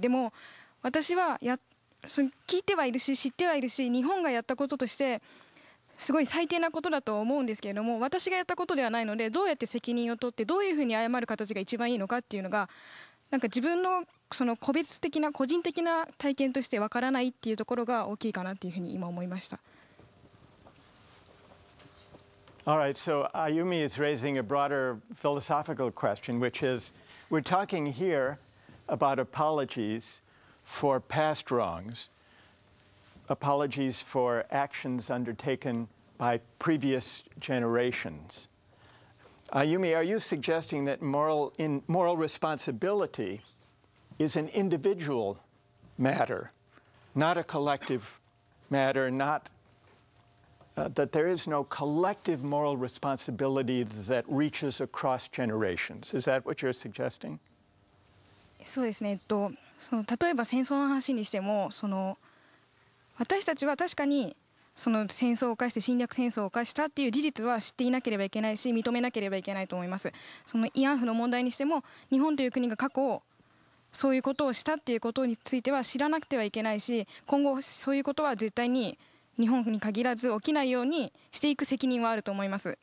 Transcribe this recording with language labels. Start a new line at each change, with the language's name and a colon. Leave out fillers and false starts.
Japanese: でも私はやその聞いてはいるし知ってはいるし、日本がやったこととしてすごい最低なことだと思うんですけれども、私がやったことではないので、どうやって責任を取ってどういうふうに謝る形が一番いいのかっていうのが、なんか自分のその個別的な個人的な体験としてわからないっていうところが大きいかなっていうふうに今思いました。
English: All right, so Ayumi is raising a broader philosophical question, which is, we're talking here about apologies for past wrongs, apologies for actions undertaken by previous generations. Ayumi, are you suggesting that moral responsibility is an individual matter, not a collective matter, not that there is no collective moral responsibility that reaches across generations? Is that what you're suggesting?
Japanese: そうですね。その例えば戦争の話にしても、その私たちは確かにその戦争を犯して侵略戦争を犯したっていう事実は知っていなければいけないし認めなければいけないと思います。その慰安婦の問題にしても、日本という国が過去をそういうことをしたっていうことについては知らなくてはいけないし、今後そういうことは絶対に日本に限らず起きないようにしていく責任はあると思います。